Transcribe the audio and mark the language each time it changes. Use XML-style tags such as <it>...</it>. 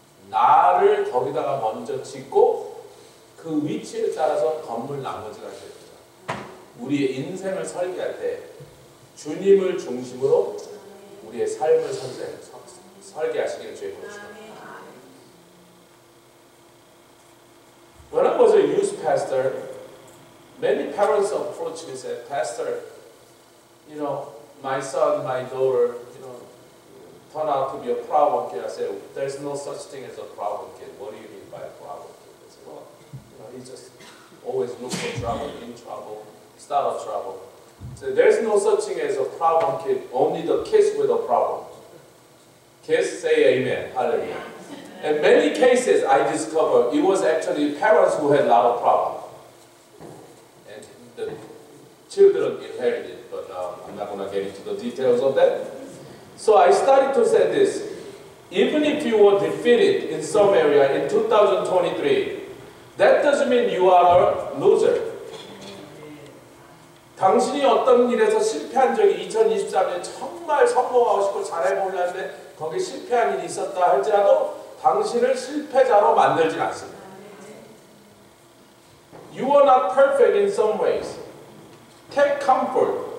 <ko>나를 거기다가 먼저 짓고 그 위치에 따라서 건물 나머지가 됩니다. 우리의 인생을 설계할 때 주님을 중심으로 우리의 삶을 설계하시기를 주의 고백합니다.</ko> <en>When I was a youth pastor, many parents approached me and said, Pastor, you know, my son, my daughter, you know, turn out to be a problem kid. I said, there's no such thing as a problem kid. What do you mean by a problem kid? I said, well, he just always look for trouble, in trouble, start of trouble. So there's no such thing as a problem kid, only the kids with a problem. Kids say amen, hallelujah. In many cases, I discovered it was actually parents who had a lot of problems. And the children inherited, but I'm not going to get into the details of that. So I started to say this, even if you were defeated in some area in 2023, That doesn't mean you are a loser.</en> <ko>당신이 어떤 일에서 실패한 적이 2023년 정말 성공하고 싶고 잘해보려는데 거기에 실패한 일이 있었다 할지라도 당신을 실패자로 만들진 않습니다.</ko> <en>You are not perfect in some ways. Take comfort.</en>